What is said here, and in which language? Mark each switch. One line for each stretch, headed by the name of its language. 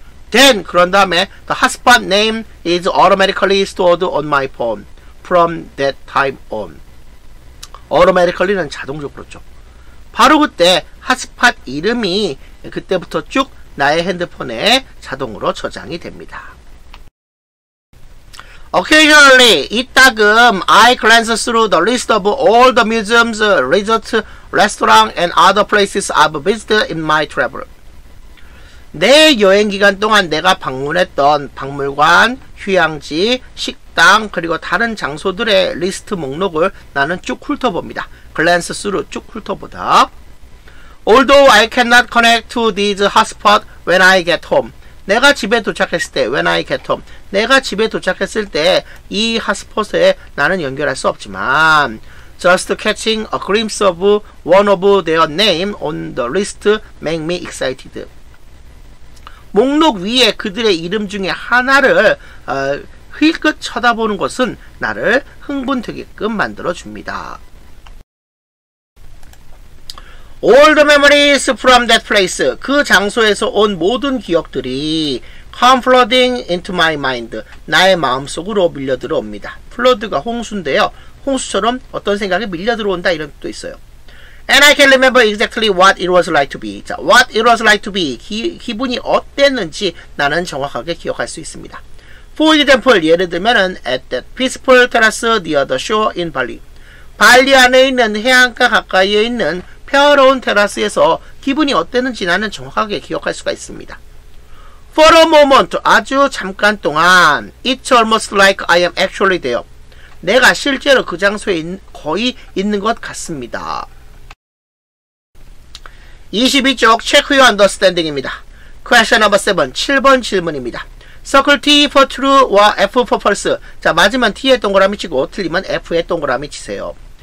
English: Then
Korean: 그런 다음에
English: the hotspot name is automatically stored on my phone from that time on.
Korean: Automatically는 자동적으로죠. 바로 그때 hotspot 이름이 그때부터 쭉 나의 핸드폰에 자동으로 저장이 됩니다.
English: Occasionally,
Korean: 이따금
English: I glance through the list of all the museums, resorts, restaurants, and other places I've visited in my travel.
Korean: 내 여행 기간 동안 내가 방문했던 박물관, 휴양지, 식당, 그리고 다른 장소들의 리스트 목록을 나는 쭉 훑어봅니다.
English: Glance through,
Korean: 쭉 훑어보다.
English: Although I cannot connect to these hotspots when I get home.
Korean: 내가 집에 도착했을 때,
English: when I get home,
Korean: 내가 집에 도착했을 때 이 핫스팟에 나는 연결할 수 없지만
English: just catching a glimpse of one of their name on the list make me excited.
Korean: 목록 위에 그들의 이름 중에 하나를 힐끗 쳐다보는 것은 나를 흥분되게끔 만들어줍니다.
English: All the memories from that place.
Korean: 그 장소에서 온 모든 기억들이
English: come flooding into my mind.
Korean: 나의 마음속으로 밀려들어옵니다. Flood가 홍수인데요. 홍수처럼 어떤 생각이 밀려들어온다 이런 것도 있어요.
English: And I can remember exactly what it was like to be. 자, what it was like to be.
Korean: 기분이 어땠는지 나는 정확하게 기억할 수 있습니다.
English: For example,
Korean: 예를 들면
English: at that peaceful terrace near the shore in Bali.
Korean: 발리 안에 있는 해안가 가까이에 있는 평화로운 테라스에서 기분이 어땠는지 나는 정확하게 기억할 수가 있습니다.
English: For a moment,
Korean: 아주 잠깐 동안,
English: it's almost like I am actually there.
Korean: 내가 실제로 그 장소에 거의 있는 것 같습니다.
English: 22쪽 check your understanding입니다. Question number 7.
Korean: 7번 질문입니다.
English: Circle T for true 와 F for false.
Korean: 자, 맞으면 T에 동그라미 치고 틀리면 F에 동그라미 치세요.